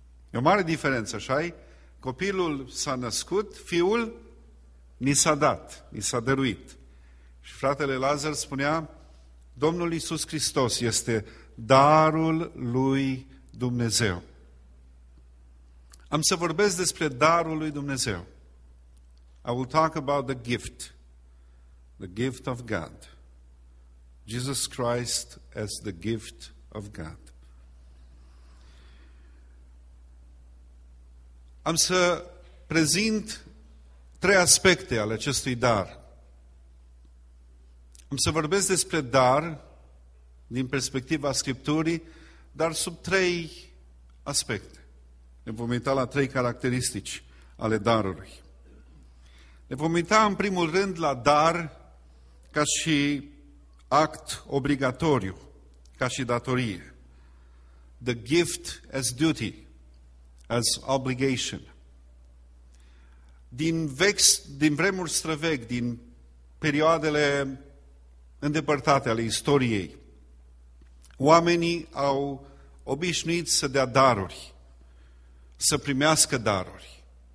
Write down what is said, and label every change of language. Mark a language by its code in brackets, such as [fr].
[ro] E o mare diferență, așa-i? Copilul s-a născut, fiul ni s-a dat, ni s-a dăruit. Și fratele Lazar spunea, Domnul Iisus Hristos este darul lui Dumnezeu. Am să vorbesc despre darul lui Dumnezeu. [en] I will talk about the gift of God. Jesus Christ as the gift of God. [ro] Am să prezint trei aspecte ale acestui dar. Am să vorbesc despre dar din perspectiva Scripturii, dar sub trei aspecte. Ne vom uita la trei caracteristici ale darului. Ne vom uita în primul rând la dar ca și act obligatoriu, ca și datorie. [en] The gift as duty, as obligation. [ro] Din vremuri străvechi, din perioadele îndepărtate ale istoriei, oamenii au obișnuit să dea daruri, să primească daruri.